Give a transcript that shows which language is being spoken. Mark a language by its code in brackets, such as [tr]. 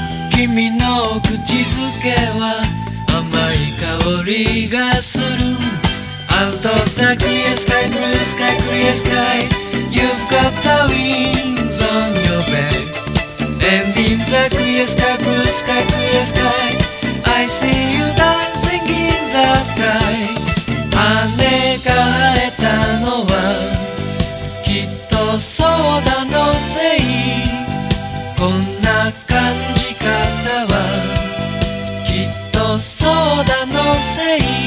[ja] 君の口づけは甘い香りがする。 [en] Out of the clear sky, blue sky, clear sky, You've got the wings on your back. And in the clear sky, blue sky, clear sky, I see you dancing in the sky. [ja] 姉が会えたのはきっとソーダのせい。こんな感じ方はきっとソーダのせい。